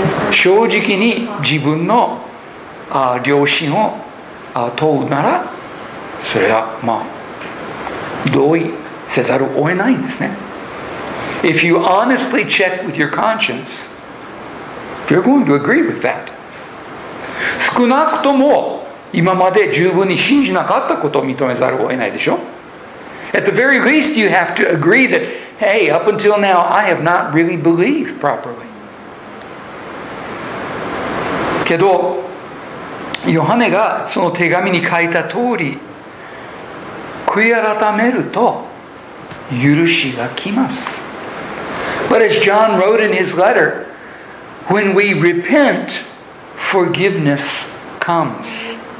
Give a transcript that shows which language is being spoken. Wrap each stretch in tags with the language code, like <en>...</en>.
<ja>正直に自分の良心を問うなら、それはまあ同意せざるを得ないんですね。</ja> <en>If you honestly check with your conscience, you're going to agree with that.</en> <ja>少なくとも今まで十分に信じなかったことを認めざるを得ないでしょ。</ja> <en>At the very least, you have to agree that, hey, up until now, I have not really believed properly.</en> <ja>けど、ヨハネがその手紙に書いた通り、悔い改めると許しが来ます。</ja> <en>But as John wrote in his letter, when we repent, forgiveness comes.</en>